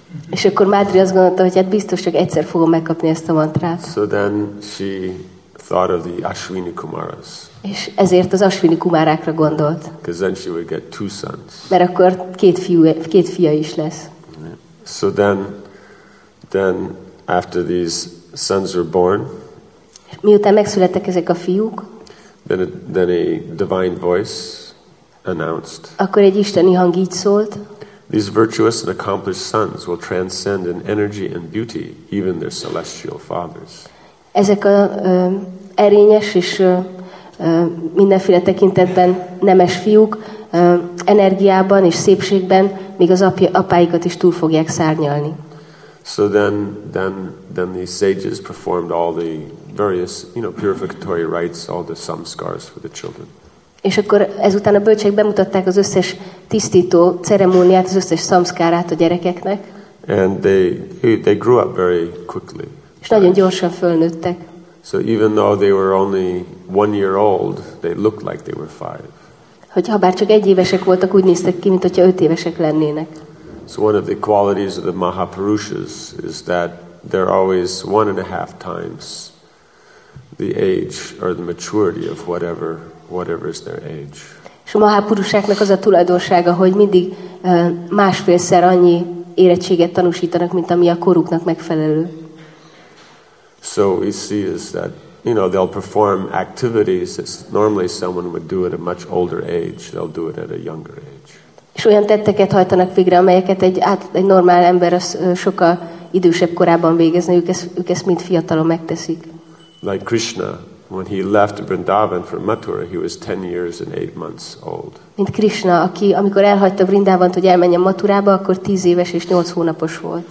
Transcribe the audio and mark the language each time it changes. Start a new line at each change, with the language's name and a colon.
Hungarian: És akkor Madri azt gondolta, hogy hát biztos csak egyszer fogom megkapni ezt a mantrát.
English: So then she thought of the Ashwini Kumaras.
Hungarian: És ezért az Ashwini Kumárákra gondolt.
English: Because then she would get two sons.
Hungarian: Mert akkor két fia is lesz.
English: So then after these sons were born.
Hungarian: Miután megszülettek ezek a fiúk.
English: Then a divine voice announced.
Hungarian: Akkor egy isteni hang így szólt.
English: These virtuous and accomplished sons will transcend in energy and beauty even their celestial fathers.
Hungarian: Ezek a erényes és mindenféle tekintetben nemes fiúk energiában és szépségben még az apáikat is túl fogják szárnyalni.
English: So then the sages performed all the various, you know, purificatory rites, all the samskars for the children.
Hungarian: És akkor ezután a bölcsek bemutatták az összes tisztító ceremóniát, az összes samskárát a gyerekeknek.
English: And they grew up very quickly.
Hungarian: És nagyon gyorsan fölnőttek.
English: So even though they were only 1 year old, they looked like they were five.
Hungarian: Hogyha bár csak egy évesek voltak, úgy néztek ki, mint hogyha öt évesek lennének.
English: So one of the qualities of the Mahapurushas is that they're always one and a half times the age or the maturity of whatever is their age.
Hungarian: És a Mahapurushaknak az a tulajdonsága, hogy mindig másfélszer annyi érettséget tanúsítanak, mint ami a koruknak megfelelő.
English: So we see is that, you know, they'll perform activities that normally someone would do at a much older age, they'll do it at a younger age.
Hungarian: És olyan tetteket hajtanak végre, amelyeket egy normál ember az sokkal idősebb korában végezne, ők ezt mind fiatalon megteszik.
English: Like Krishna, when he left Vrindavan for Mathura, he was 10 years and 8 months old.
Hungarian: Mint Krishna, aki amikor elhagyta Vrindavant, hogy elmenjen Mathurába, akkor 10 éves és 8 hónapos volt.